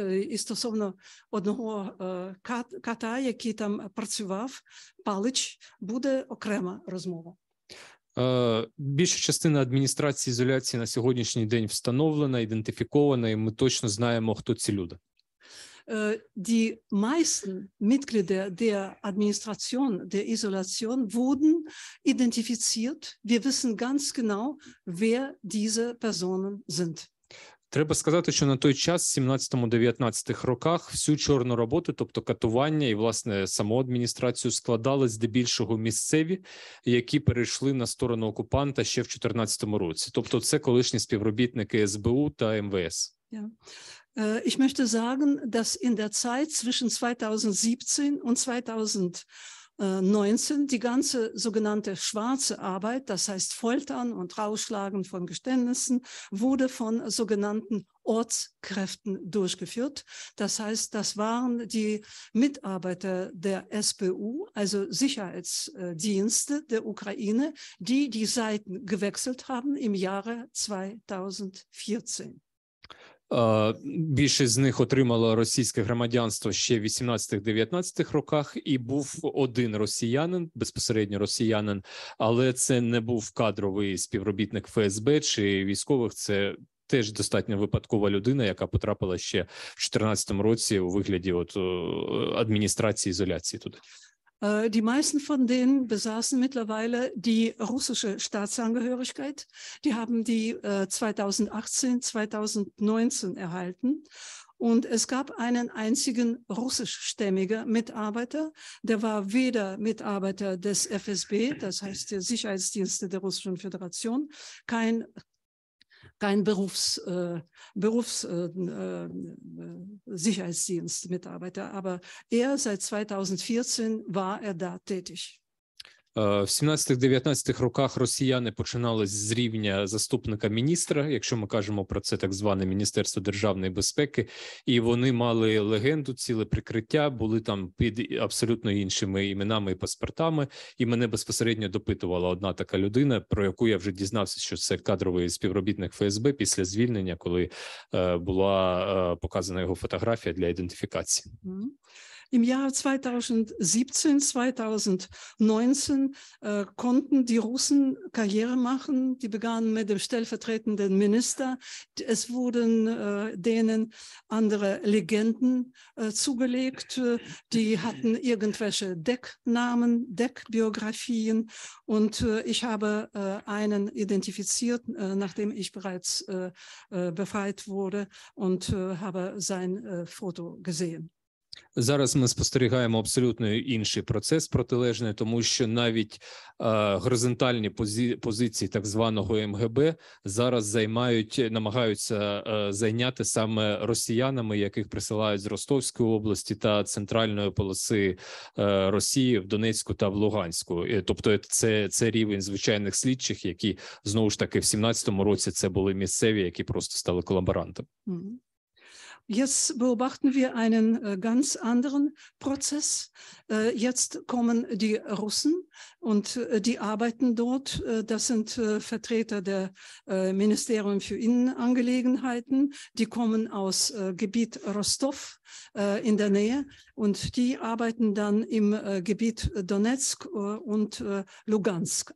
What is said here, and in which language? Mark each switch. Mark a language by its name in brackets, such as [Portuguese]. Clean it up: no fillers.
[Ukrainian] І стосовно одного кота, який там працював, Палич, буде окрема розмова. Більша частина адміністрації ізоляції на сьогоднішній день встановлена, ідентифікована, і ми точно знаємо, хто ці люди. [German] Die meisten Mitglieder der Administration, der Isolation wurden identifiziert. Wir wissen ganz genau, wer diese Personen sind. [Ukrainian] Треба сказати, що на той час, 17-19 роках, всю чорну роботу, тобто катування і, власне, саму адміністрацію складали здебільшого місцеві, які перейшли на сторону окупанта ще в 14-му році. Тобто це колишні співробітники СБУ та МВС. [German] Ich möchte sagen, dass in der Zeit zwischen 2017 und 2019 die ganze sogenannte schwarze Arbeit, das heißt Foltern und Rausschlagen von Geständnissen, wurde von sogenannten Ortskräften durchgeführt. Das heißt, das waren die Mitarbeiter der SBU, also Sicherheitsdienste der Ukraine, die die Seiten gewechselt haben im Jahre 2014. [Ukrainian] Більшість з них отримала російське громадянство ще в 18-19 роках, і був один росіянин, безпосередньо росіянин, але це не був кадровий співробітник ФСБ чи військових, це теж достатньо випадкова людина, яка потрапила ще в 14-му році у вигляді от адміністрації ізоляції туди. [German] Die meisten von denen besaßen mittlerweile die russische Staatsangehörigkeit. Die haben die 2018, 2019 erhalten. Und es gab einen einzigen russischstämmigen Mitarbeiter. Der war weder Mitarbeiter des FSB, das heißt der Sicherheitsdienste der Russischen Föderation, kein Sicherheitsdienstmitarbeiter, aber er seit 2014 war er da tätig. [Ukrainian] В 17-19 роках росіяни починались з рівня заступника міністра, якщо ми кажемо про це так зване Міністерство державної безпеки, і вони мали легенду, ціле прикриття, були там під абсолютно іншими іменами і паспортами, і мене безпосередньо допитувала одна така людина, про яку я вже дізнався, що це кадровий співробітник ФСБ після звільнення, коли була показана його фотографія для ідентифікації. [German] Im Jahr 2017, 2019 konnten die Russen Karriere machen. Die begannen mit dem stellvertretenden Minister. Es wurden denen andere Legenden zugelegt. Die hatten irgendwelche Decknamen, Deckbiografien. Und ich habe einen identifiziert, nachdem ich bereits befreit wurde und habe sein Foto gesehen. [Ukrainian] Зараз ми спостерігаємо абсолютно інший процес протилежний, тому що навіть горизонтальні позиції так званого МГБ зараз намагаються зайняти саме росіянами, яких присилають з Ростовської області та центральної полоси Росії в Донецьку та в Луганську. Тобто це рівень звичайних слідчих, які, знову ж таки, в 17-му році це були місцеві, які просто стали колаборантами. [German] Jetzt beobachten wir einen ganz anderen Prozess. Jetzt kommen die Russen und die arbeiten dort. Das sind Vertreter der Ministerium für Innenangelegenheiten. Die kommen aus Gebiet Rostov in der Nähe und die arbeiten dann im Gebiet Donetsk und Lugansk.